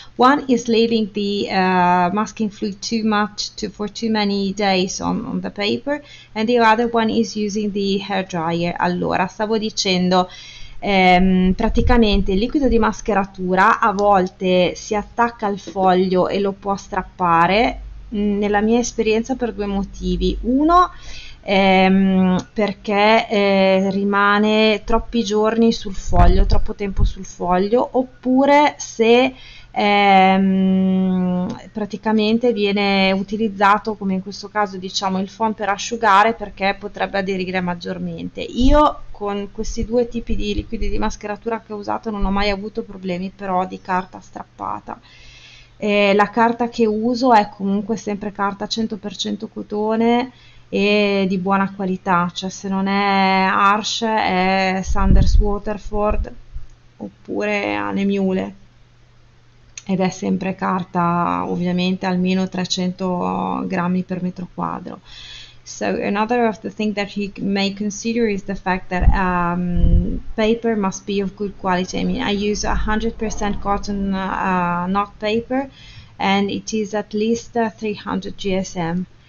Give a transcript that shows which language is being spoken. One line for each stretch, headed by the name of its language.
English: One is leaving the masking fluid too much for too many days on the paper, and the other one is using the hair dryer.
Italian: Allora, stavo dicendo. Praticamente il liquido di mascheratura a volte si attacca al foglio e lo può strappare, nella mia esperienza per due motivi. Uno, perché rimane troppi giorni sul foglio, troppo tempo sul foglio, oppure se praticamente viene utilizzato, come in questo caso, diciamo il phon per asciugare perché potrebbe aderire maggiormente. Io con questi due tipi di liquidi di mascheratura che ho usato non ho mai avuto problemi però di carta strappata. La carta che uso è comunque sempre carta 100% cotone. e di buona qualità, cioè se non è Arsh è Sanders Waterford oppure Anne Mule. Ed è sempre carta, ovviamente, almeno 300 grammi per metro quadro.
English: So, another of the things that you may consider is the fact that paper must be of good quality. I mean, I use 100% cotton knot paper, and it is at least 300 GSM.